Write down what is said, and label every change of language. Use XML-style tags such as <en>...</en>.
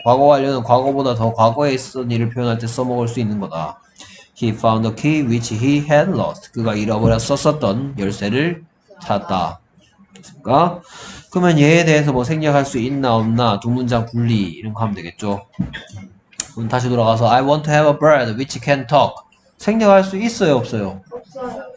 <ko>과거 완료는 과거보다 더 과거에 있었던 일을 표현할 때 써먹을 수 있는 거다.</ko> <en>He found a key which he had lost.</en> <ko>그가 잃어버렸었던 열쇠를 찾았다. 됐습니까? 그러면 얘에 대해서 뭐 생략할 수 있나 없나 두 문장 분리 이런 거 하면 되겠죠. 그럼 다시 돌아가서</ko> <en>I want to have a bird which can talk.</en> <ko>생략할 수 있어요 없어요? 없어요.</ko>